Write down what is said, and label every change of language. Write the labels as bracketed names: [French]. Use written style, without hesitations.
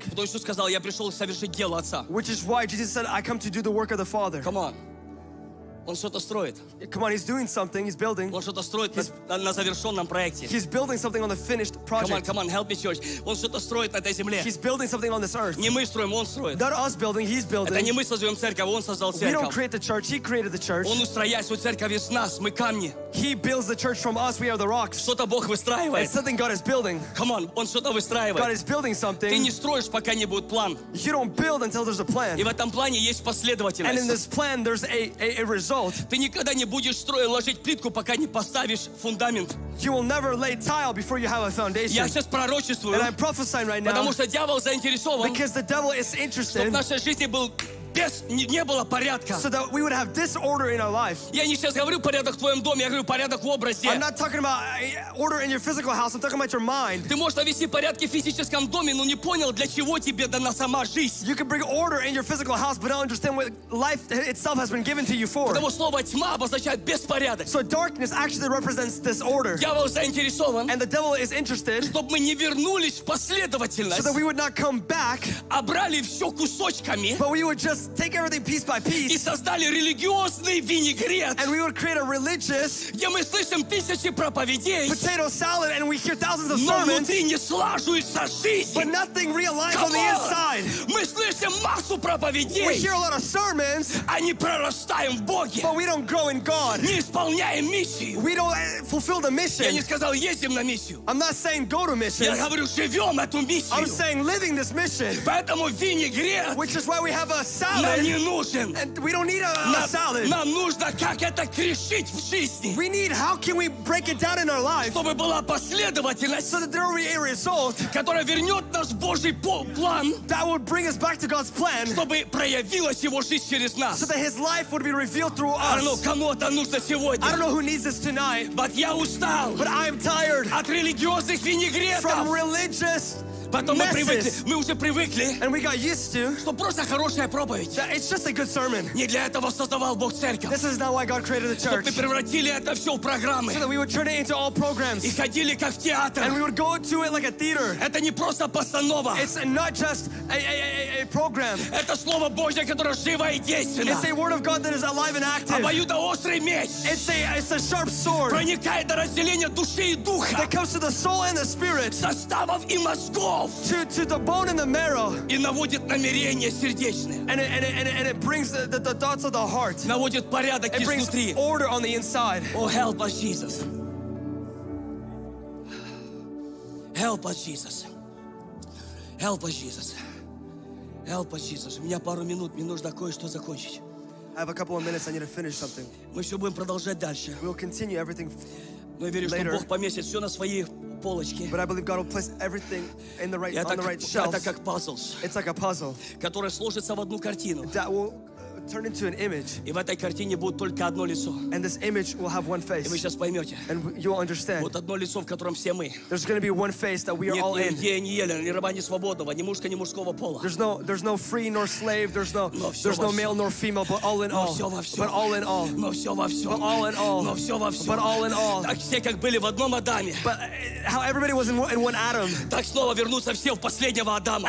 [Russian] Потому что Иисус сказал, я пришел совершить дело Отца. [English] Which is why Jesus said, I come to do the work of the Father. Come on. [Russian] Он что-то строит. [English] Come on, he's doing something, he's building. [Russian] Он что-то строит на завершенном проекте. [English] He's building something on the finished project. Come on, help me, church. [Russian] Он что-то строит на этой земле. [English] He's building something on this earth. [Russian] Не мы строим, он строит. [English] Not us building, he's building. [Russian] Это не мы создаем церковь, он создал церковь. [English] We don't create the church, he created the church. [Russian] Он устрояет свою церковь из нас, мы камни. [English] He builds the church from us, we are the rocks. [Russian] Что-то Бог выстраивает. [English] It's something God is building. Come on, [Russian] он что-то выстраивает. [English] God is building something. [Russian] Ты не строишь, пока не будет план. [English] You don't build until there's a plan. [Russian] И в этом плане есть последовательность. [English] And in this plan, there's a result. [Russian] Ты никогда не будешь строить, ложить плитку, пока не поставишь фундамент. [English] You will never lay tile before you have a foundation. [Russian] Я сейчас пророчествую. [English] And I'm prophesying right now. [Russian] Потому что дьявол заинтересован. [English] Because the devil is interested. [Russian] Чтобы в нашей жизни был без, не было порядка. [English] So that we would have disorder in our life. [Russian] Я не сейчас говорю порядок в твоем доме, я говорю порядок в образе. [English] I'm not talking about order in your physical house, I'm talking about your mind. [Russian] Ты можешь навести порядки в физическом доме, но не понял, для чего тебе дана сама жизнь. [English] You can bring order in your physical house, but don't understand what life itself has been given to you for. [Russian] Потому слово тьма обозначает беспорядок. [English] So darkness actually represents disorder. [Russian] Дьявол заинтересован. [English] And the devil is interested. [Russian] Чтобы мы не вернулись в последовательность. [English] So that we would not come back. [Russian] А брали все кусочками. [English] But we would just take everything piece by piece. [Russian] И создали религиозный винегрет. [English] And we would create a religious. [Russian] Где мы слышим тысячи проповедей. [English] Potato salad and we hear thousands of sermons. [Russian] Но внутри не слаживается жизнь. [English] But nothing realized on the inside. [Russian] Мы слышим массу проповедей. [English] We hear a lot of sermons. [Russian] А не прорастаем в Боге. [English] But we don't grow in God. [Russian] Не исполняем миссию. [English] We don't fulfill the mission. [Russian] Я не сказал ездим на миссию. [English] I'm not saying go to mission. [Russian] Я говорю живем эту миссию. [English] I'm saying living this mission. [Russian] Поэтому винегрет. [English] Which is why we have a [Russian] нам не нужен. [English] And we don't need a salad. [Russian] Нам нужно как это крешить в жизни. [English] We need how can we break it down in our life. [Russian] Чтобы была последовательность. [English] So that there will be a result. [Russian] Которая вернет нас в Божий план. [English] That would bring us back to God's plan. [Russian] Чтобы проявилась его жизнь через нас. [English] So that his life would be revealed through us. I don't know, [Russian] кому это нужно сегодня. [English] I don't know who needs this tonight. [Russian] But я устал. [English] But I'm tired. [Russian] От религиозных винегретов. [English] From religious. [Russian] Потом мы уже привыкли, [English] and we got used to, [Russian] что просто хорошая проповедь. [English] That it's just a good sermon. [Russian] Не для этого создавал Бог церковь. [English] This is not why God created the church. [Russian] Чтобы мы превратили это все в программы. [English] So that we would turn it into all programs. [Russian] И ходили как в театр. [English] And we would go to it like a theater. [Russian] Это не просто постанова. [English] It's not just a program. [Russian] Это слово Божье, которое живо и действенно. [English] It's a word of God that is alive and active. [Russian] Обоюдоострый меч. [English] It's a sharp sword. [Russian] Проникает до разделения души и духа. [English] That comes to the soul and the spirit. [Russian] Составов и мозгов. [English] To the bone and the marrow. [Russian] И наводит намерения сердечные. [English] And it brings the thoughts of the heart. [Russian] Наводит порядок изнутри. [English] It brings order on the inside. Oh, help us, Jesus. Help us, Jesus. Help us, Jesus. Help us, Jesus. [Russian] У меня пару минут, мне нужно кое-что закончить. [English] I have a couple of minutes, I need to finish something. [Russian] Мы еще будем продолжать дальше. [English] We'll continue everything later. [Russian] Я верю, что Бог поместит все на свои... [English] But I believe God will place everything in the right, on the right shelf. [Russian] Это как puzzles. [English] It's like a puzzle. [Russian] Которая сложится в одну картину. [English] That will turn into an image. [Russian] И в этой картине будет только одно лицо. [English] And this image will have one face. [Russian] И вы сейчас поймете. [English] And you will understand. [Russian] Вот одно лицо, в котором все мы. [English] There's going to be one face that we are all in. [Russian] Нет ни Елена, ни раба, ни свободного, ни мужского, ни мужского пола. [English] There's no free nor slave. There's no male nor female, but all in all. But all in all. [Russian] Но все во всем. [English] But all in all. [Russian] Но все во всем. [English] But all in all. [Russian] Так все как были в одном Адаме. [English] But how everybody was in one Adam. [Russian] Так снова вернутся все в последнего Адама.